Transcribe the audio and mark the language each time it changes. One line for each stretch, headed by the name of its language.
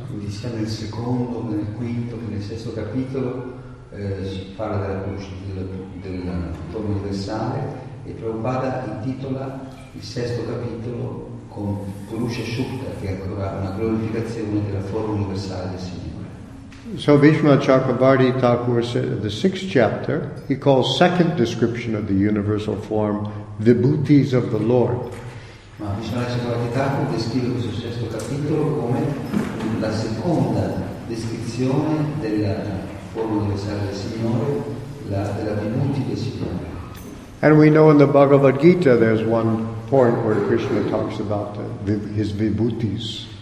Italian: Quindi sia nel secondo, nel quinto, nel sesto capitolo si parla della luce del forma universale e Prabhupada intitola il sesto capitolo con Purusha Shukta, che è ancora una glorificazione della forma universale del Signore.
English: So Bhishma Chakravarti Thakur said the sixth chapter, he calls second description of the universal form Vibhutis of the Lord.
Italian: Ma Bhishma Chakravarti Thakur descrive questo sesto capitolo come la seconda descrizione della forma universale del Signore, della Vibhuti del Signore.
English: And we know in the Bhagavad Gita there's one point where Krishna talks about his Vibhutis.